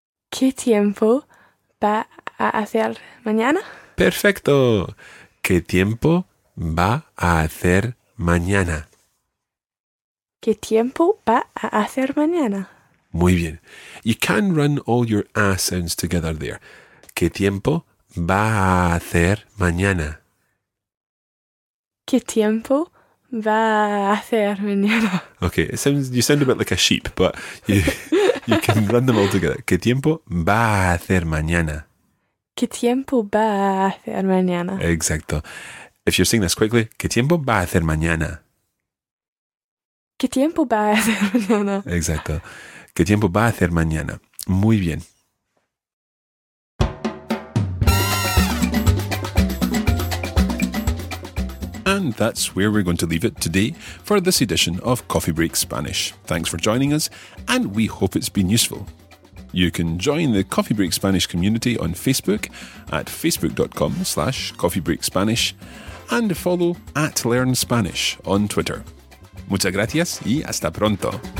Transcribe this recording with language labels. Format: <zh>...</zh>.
<es>¿Qué tiempo va a hacer mañana? Perfecto. ¿Qué tiempo va a hacer mañana? ¿Qué tiempo va a hacer mañana? Muy bien.</es> <en>You can run all your A sounds together there.</en> <es>¿Qué tiempo va a hacer mañana? ¿Qué tiempo va a hacer mañana?</es> <en>Okay, you sound a bit like a sheep, but you can run them all together.</en> <es>¿Qué tiempo va a hacer mañana? ¿Qué tiempo va a hacer mañana? Exacto.</es> <en>If you're saying this quickly,</en> <es>¿qué tiempo va a hacer mañana? ¿Qué tiempo va a hacer mañana? Exacto. ¿Qué tiempo va a hacer mañana? Muy bien.</es> <en>And that's where we're going to leave it today for this edition of Coffee Break Spanish. Thanks for joining us, and we hope it's been useful. You can join the Coffee Break Spanish community on Facebook at facebook.com/coffeebreakspanish and follow at Learn Spanish on Twitter.</en> <es>Muchas gracias y hasta pronto.</es>